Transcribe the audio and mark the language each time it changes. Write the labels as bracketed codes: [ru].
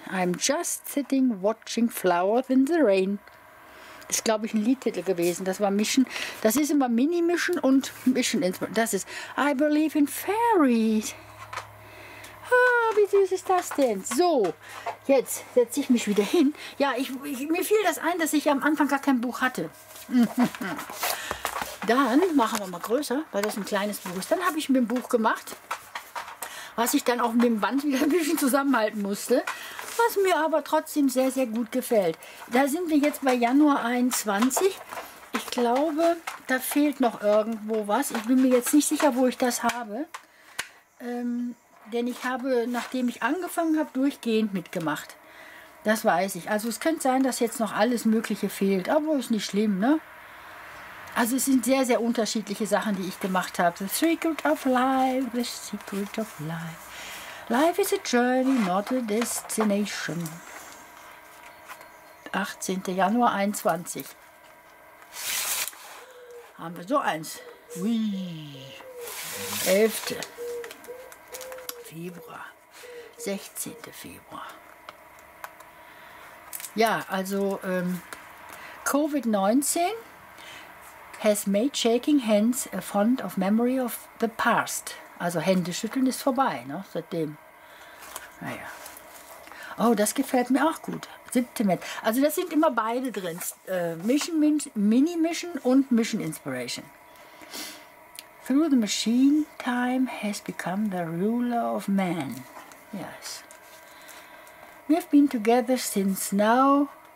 [en] I'm just sitting watching flowers in the rain. [de] Das ist, glaube ich, ein Liedtitel gewesen. Das war Mission. Das ist immer Mini-Mission und Mission Inspiration. Das ist [en] I believe in fairies. [de] Ah, wie süß ist das denn? So, jetzt setze ich mich wieder hin. Ja, mir fiel das ein, dass ich am Anfang gar kein Buch hatte. Dann machen wir mal größer, weil das ein kleines Buch ist. Dann habe ich mir ein Buch gemacht, was ich dann auch mit dem Band wieder ein bisschen zusammenhalten musste. Was mir aber trotzdem sehr, sehr gut gefällt. Da sind wir jetzt bei Januar 21. Ich glaube, da fehlt noch irgendwo was. Ich bin mir jetzt nicht sicher, wo ich das habe. Denn ich habe, nachdem ich angefangen habe, durchgehend mitgemacht. Das weiß ich. Also es könnte sein, dass jetzt noch alles Mögliche fehlt. Aber ist nicht schlimm, ne? Also es sind sehr, sehr unterschiedliche Sachen, die ich gemacht habe. [en] The secret of life, the secret of life. Life is a journey, not a destination. [de] 18. Januar 21. Haben wir so eins. Ui. 11. Februar. 16. Februar. Ja, also [en] Covid-19 has made shaking hands a fond of memory of the past. [de] Also Hände schütteln ist vorbei, ne? Seitdem. Naja. Oh, das gefällt mir auch gut. Sentiment. Also das sind immer beide drin. Mission, Mini-Mission und Mission Inspiration. [en] Through the machine, time has become the ruler of man. Yes. We've been together since now.